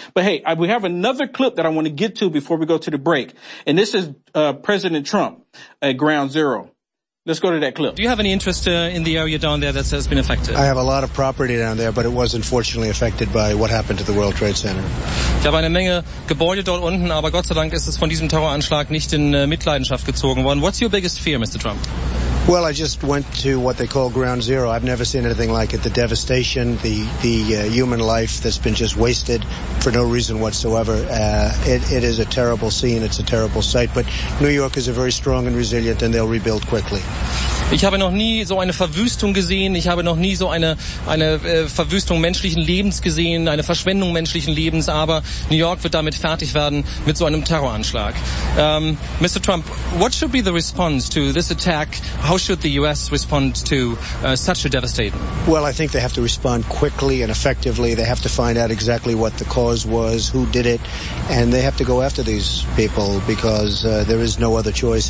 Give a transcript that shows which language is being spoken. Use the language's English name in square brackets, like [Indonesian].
[English] But, hey, we have another clip that I want to get to before we go to the break. And this is President Trump at Ground Zero. Let's go to that clip. Do you have any interest in the area down there that has been affected? I have a lot of property down there, but it was unfortunately affected by what happened to the World Trade Center. [German] Ich habe eine Menge Gebäude dort unten, aber Gott sei Dank ist es von diesem Terroranschlag nicht in Mitleidenschaft gezogen worden. [English] What's your biggest fear, Mr. Trump? Well, I just went to what they call Ground Zero. I've never seen anything like it. The devastation, the human life that's been just wasted for no reason whatsoever. It is a terrible scene. It's a terrible sight. But New York is a very strong and resilient, and they'll rebuild quickly. [German] Ich habe noch nie so eine Verwüstung gesehen. Ich habe noch nie so eine Verwüstung menschlichen Lebens gesehen, eine Verschwendung menschlichen Lebens. Aber New York wird damit fertig werden mit so einem Terroranschlag. [English] Mr. Trump, what should be the response to this attack? How should the U.S. respond to such a devastating? Well, I think they have to respond quickly and effectively. They have to find out exactly what the cause was, who did it, and they have to go after these people because there is no other choice.